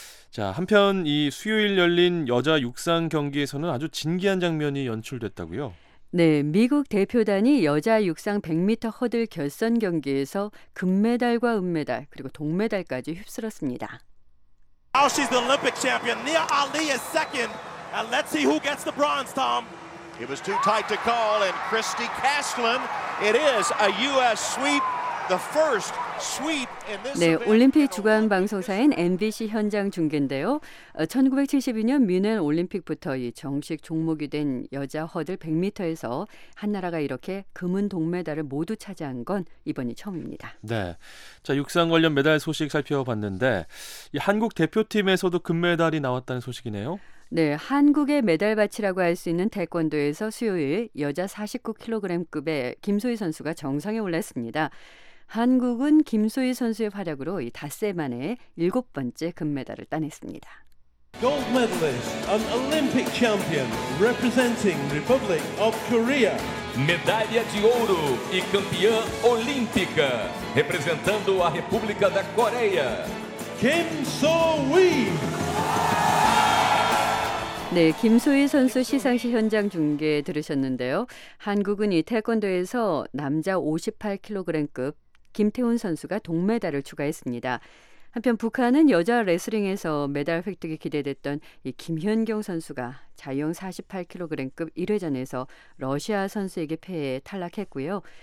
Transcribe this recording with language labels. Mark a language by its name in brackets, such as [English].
[Korean] 자, 한편 이 수요일 열린 여자 육상 경기에서는 아주 진기한 장면이 연출됐다고요? 네, 미국 대표단이 여자 육상 100m 허들 결선 경기에서 금메달과 은메달 그리고 동메달까지 휩쓸었습니다. [English] Now she's the Olympic champion. Nia Ali is second. And let's see who gets the bronze, Tom. It was too tight to call, and Christy Castlin, it is a U.S. sweep, the first sweep in this. [Korean] 네, 올림픽 주관 방송사인 MBC 현장 중계인데요. 1972년 뮌헨 올림픽부터 이 정식 종목이 된 여자 허들 100m에서 한 나라가 이렇게 금은 동메달을 모두 차지한 건 이번이 처음입니다. 네, 자 육상 관련 메달 소식 살펴봤는데 이 한국 대표팀에서도 금메달이 나왔다는 소식이네요. 네, 한국의 메달밭이라고 할 수 있는 태권도에서 수요일 여자 49kg급의 김소희 선수가 정상에 올랐습니다. 한국은 김소희 선수의 활약으로 이 닷새 만에 7번째 금메달을 따냈습니다. [English] Gold medalist, an Olympic champion representing Republic of Korea. [Portuguese] Medalha de ouro e campeã olímpica representando a República da Coreia. Kim So-wee. [Korean] 네, 김소희 선수 시상식 현장 중계 들으셨는데요. 한국은 이 태권도에서 남자 58kg급 김태훈 선수가 동메달을 추가했습니다. 한편 북한은 여자 레슬링에서 메달 획득이 기대됐던 이 김현경 선수가 자유형 48kg급 1회전에서 러시아 선수에게 패해 탈락했고요.